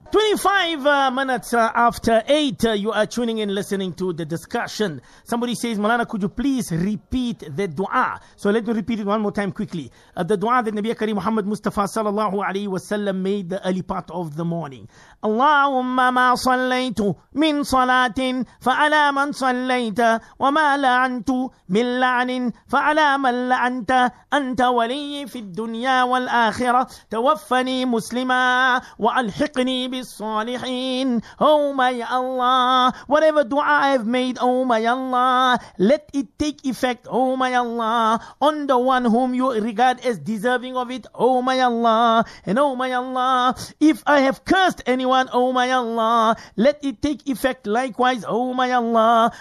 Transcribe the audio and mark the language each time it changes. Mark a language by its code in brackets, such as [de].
[en] 25 minutes after 8, you are tuning in, listening to the discussion. Somebody says, Mawlana, could you please repeat the dua? So let me repeat it one more time quickly. The dua that Nabi Kareem Muhammad Mustafa Sallallahu Alaihi Wasallam made the early part of the morning. [ar] Allahumma ma sallaytu min salatin fa'ala man sallayta wa ma la'an من لعن فعلى من لعنت أنت ولي في الدنيا والآخرة توفني مسلما وألحقني بالصالحين. [en] Oh my Allah, whatever dua I have made, oh my Allah, let it take effect, oh my Allah, on the one whom you regard as deserving of it, oh my Allah. And oh my Allah, if I have cursed anyone, oh my Allah, let it take effect likewise, oh my Allah.